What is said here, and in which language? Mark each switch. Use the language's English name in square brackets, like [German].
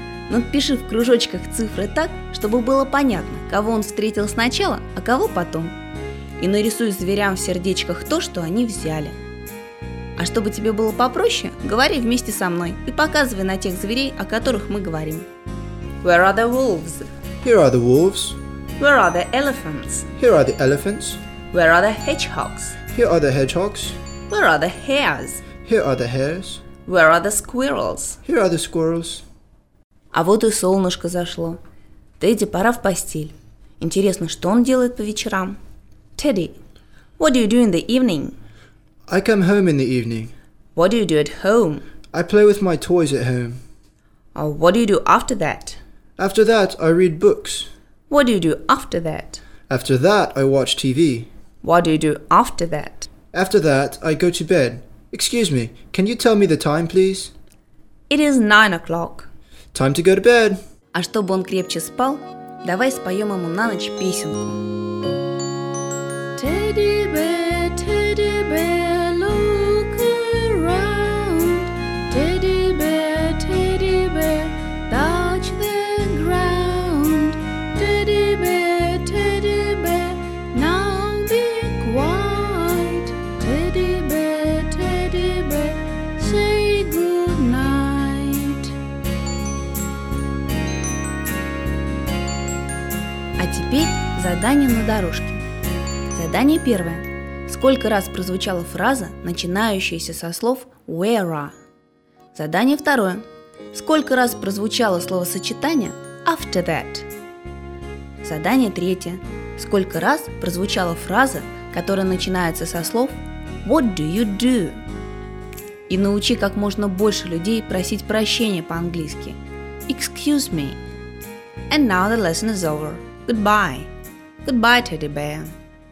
[Russian] Напиши в кружочках цифры так, чтобы было понятно, кого он встретил сначала, а кого потом. И нарисуй зверям в сердечках то, что они взяли. А чтобы тебе было попроще, говори вместе со мной и показывай на тех зверей, о которых мы говорим. [English] Where are the wolves? Here are the wolves. Where are the elephants? Here are the elephants. Where are the hedgehogs? Here are the hedgehogs. Where are the hares? Here are the hares. Where are the squirrels? Here are the squirrels. [Russian] А вот и солнышко зашло. Тедди, пора в постель. Интересно, что он делает по вечерам? [English] Teddy, what do you do in the evening? I come home in the evening. What do you do at home? I play with my toys at home. Oh, what do you do after that? After that, I read books. What do you do after that? After that, I watch TV. What do you do after that? After that, I go to bed. Excuse me, can you tell me the time, please? It is 9 o'clock. Time to go to bed. [Russian] А чтобы он крепче спал, давай споем ему на ночь песенку. [English] Teddy bear, teddy bear, look around. Teddy bear, teddy bear, touch the ground. Teddy bear, teddy bear, now be quiet. Teddy bear, teddy bear, say good night. [Russian] А теперь задание на дорожке. Задание первое. Сколько раз прозвучала фраза, начинающаяся со слов [English] «where are»? [Russian] Задание второе. Сколько раз прозвучало словосочетание [English] «after that»? [Russian] Задание третье. Сколько раз прозвучала фраза, которая начинается со слов [English] «what do you do»? [Russian] И научи как можно больше людей просить прощения по-английски. [English] Excuse me. And now the lesson is over. Goodbye. Goodbye, teddy bear.